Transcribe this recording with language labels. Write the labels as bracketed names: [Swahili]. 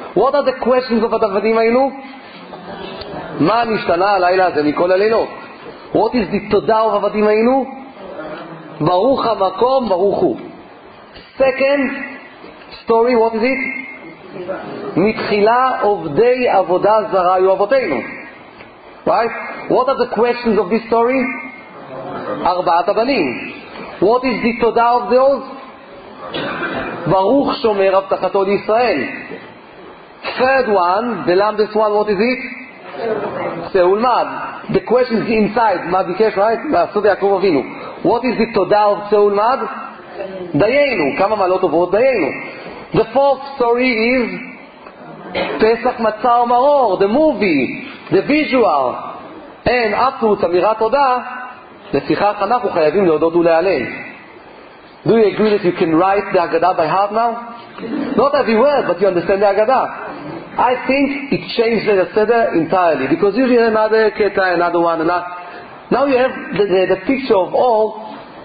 [English] What are the questions of עבדים היינו? [Hebrew] מה נשתנה הלילה הזה מכל הלילות? [English] What is the תודה of עבדים היינו? [Hebrew] ברוך המקום, ברוך הוא. [English] Second story, what is it? [Hebrew] מתחילה עובדי עבודה זרה היו אבותינו. [English] Right? What are the questions of this story? ארבעת הבנים. What is the תודה of those? [Hebrew] ברוך שומר הבטחתו לישראל. [English] Third one, the lambest one, what is it? Seulmad. The question is inside. [Hebrew] מה ביקש, right? לעשות יעקב אבינו. [English] What is the תודה of Seulmad? דיינו. [Hebrew] כמה מעלות עוברות דיינו. [English] The fourth story is פסח מצא ומרור, the movie, the visual. And afterwards, [Hebrew] אמירת תודה, לפיכך אנחנו חייבים להודות ולהלל. [English] Do you agree that you can write the Haggadah by heart now? Not every word, but you understand the Haggadah. I think it changed the Seder entirely. Because you hear another Keta, another one, and now you have the picture of all.